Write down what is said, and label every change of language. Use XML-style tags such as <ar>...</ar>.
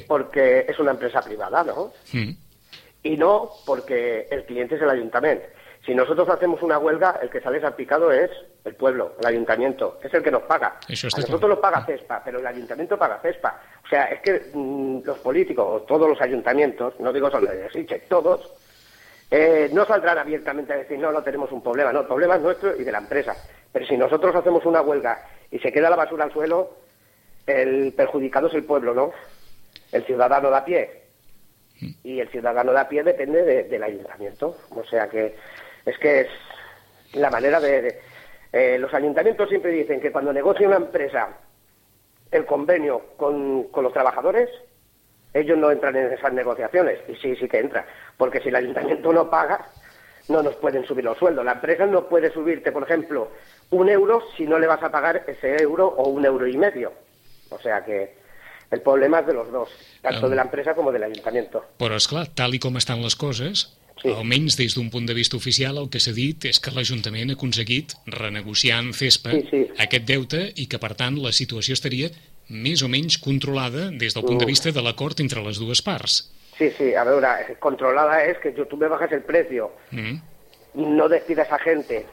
<ca>Sí, perquè és una empresa privada, no? I no perquè el client és l'Ajuntament.</ca> <es>Si nosotros hacemos una huelga, el que sale salpicado es el pueblo, el ayuntamiento. Es el que nos paga. A nosotros nos paga CESPA, pero el ayuntamiento paga CESPA. O sea, es que los políticos, o todos los ayuntamientos, no digo solo de Sitges, todos, No saldrán abiertamente a decir, no tenemos un problema. No, el problema es nuestro y de la empresa. Pero si nosotros hacemos una huelga y se queda la basura al suelo, el perjudicado es el pueblo, ¿no? El ciudadano de a pie. Y el ciudadano de a pie depende del ayuntamiento. O sea que es la manera de... los ayuntamientos siempre dicen que cuando negocia una empresa el convenio con los trabajadores, ellos no entran en esas negociaciones. Y sí, sí que entran. Porque si el ayuntamiento no paga, no nos pueden subir los sueldos. La empresa no puede subirte, por ejemplo, un euro si no le vas a pagar ese euro o un euro y medio. O sea que el problema es de los dos, tanto de la empresa como del ayuntamiento.</es> <ca>Però, esclar, tal i com estan les coses, sí, almenys des d'un punt de vista oficial, el que s'ha dit és que l'Ajuntament ha aconseguit renegociar amb FESPA aquest deute i que, per tant, la situació estaria més o menys controlada des del punt de vista de l'acord entre les dues parts.</ca> <es>Sí, sí, a veure, controlada és que tu me bajes el precio, no despides a gente.</es>